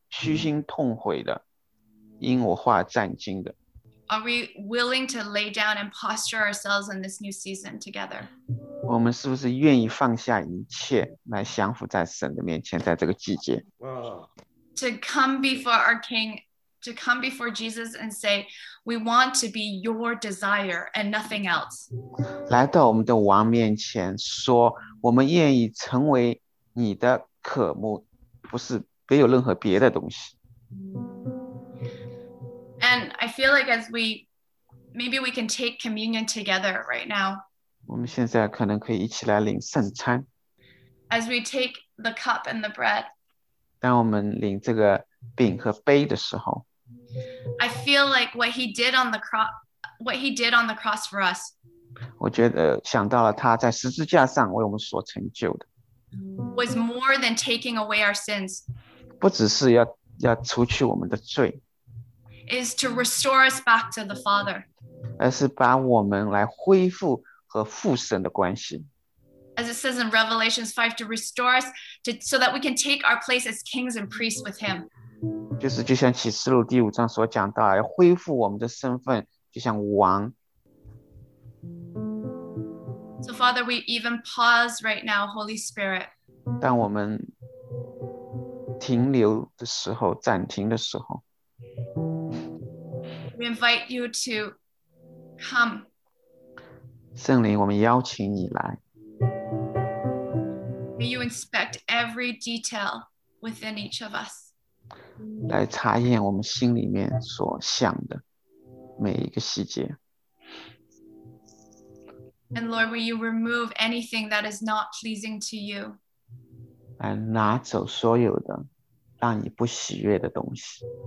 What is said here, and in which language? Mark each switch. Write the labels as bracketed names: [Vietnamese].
[Chinese] 虚心痛悔的，因我话战惊的。 [English] Are we willing to lay down and posture ourselves in this new season together? [Chinese] 我们是不是愿意放下一切来降服在神的面前，在这个季节？ [English] To come before our King, to come before Jesus and say, we want to be your desire and nothing else. [Chinese] 来到我们的王面前说，我们愿意成为你的渴慕，不是没有任何别的东西。 [English] And I feel like as we, maybe we can take communion together right now. [Chinese] 我们现在可能可以一起来领圣餐。 [English] As we take the cup and the bread. [Chinese] 当我们领这个饼和杯的时候。 [English] I feel like what he did on the cross for us. [Chinese] 我觉得想到了他在十字架上为我们所成就的。 [English] Was more than taking away our sins. [Chinese] 不只是要除去我们的罪。 [English] Is to restore us back to the Father. [Chinese] 而是把我们来恢复和父神的关系。 [English] As it says in Revelations 5, to restore us to, so that we can take our place as kings and priests with Him. [Chinese] 就是就像启示录第五章所讲到，要恢复我们的身份，就像王。 [English] So Father, we even pause right now, Holy Spirit. [Chinese] 当我们停留的时候，暂停的时候。 [English] We invite you to come. [Chinese] 圣灵，我们邀请你来。 [English] May you inspect every detail within each of us. [Chinese] 来查验我们心里面所想的每一个细节。 [English] And Lord, will you remove anything that is not pleasing to you? [Chinese] 来拿走所有的让你不喜悦的东西。